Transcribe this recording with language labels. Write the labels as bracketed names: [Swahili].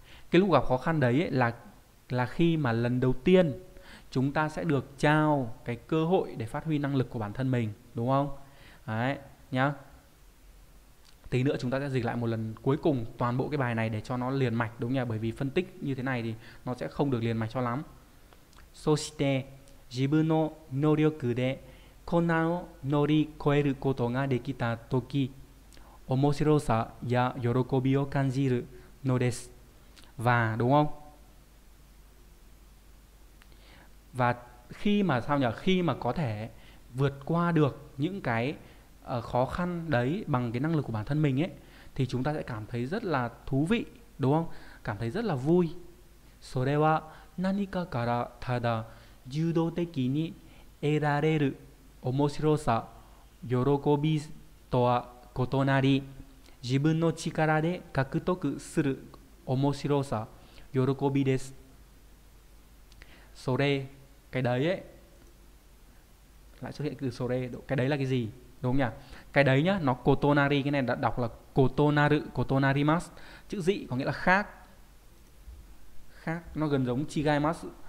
[Vietnamese] Cái lúc gặp khó khăn đấy ấy là khi mà lần đầu tiên chúng ta sẽ được trao cái cơ hội để phát huy năng lực của bản thân mình, đúng không? Đấy, nhá. Tí nữa chúng ta sẽ dịch lại một lần cuối cùng toàn bộ cái bài này để cho nó liền mạch, đúng nhỉ? Bởi vì phân tích như thế này thì nó sẽ không được liền mạch cho lắm. [Japanese] そして自分の能力で困難を乗り越えることができた時、面白さや喜びを感じるのです。 [Vietnamese] Và đúng không? Và khi mà sao nhỉ? Khi mà có thể vượt qua được những cái khó khăn đấy bằng cái năng lực của bản thân mình ấy thì chúng ta sẽ cảm thấy rất là thú vị, đúng không? Cảm thấy rất là vui. [Japanese] それは何かからただ受動的に得られる面白さ、喜びとは異なり、自分の力で獲得する面白さ、喜びです。 [Vietnamese] それ、cái đấy ấy. Lại xuất hiện từ sore, cái đấy là cái gì? Đúng không nhỉ? Cái đấy nhá, nó kotonari, cái này đã đọc là kotonaru, kotonarimasu. Chữ dị có nghĩa là khác. Khác, nó gần giống chigaimasu.